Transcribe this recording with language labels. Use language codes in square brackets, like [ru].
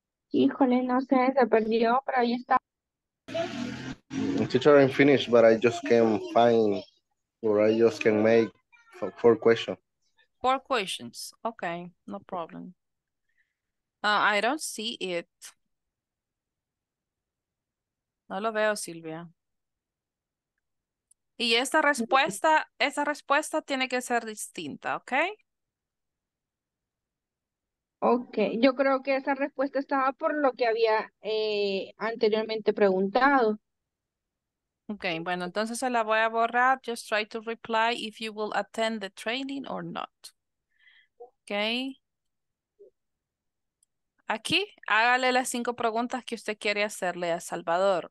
[es] Híjole, no sé, se perdió, pero ahí está. [en] Teacher, I'm finished, but I just can't find, or I just can make 4 questions. 4 questions. Okay, no problem. I don't see it. [es] No lo veo, Silvia. Y esa respuesta tiene que ser distinta, okay? Okay, yo creo que esa respuesta estaba por lo que había anteriormente preguntado. Okay, bueno, entonces se la voy a borrar. [en] Just try to reply if you will attend the training or not. Okay. [es] Aquí, hágale las 5 preguntas que usted quiere hacerle a Salvador.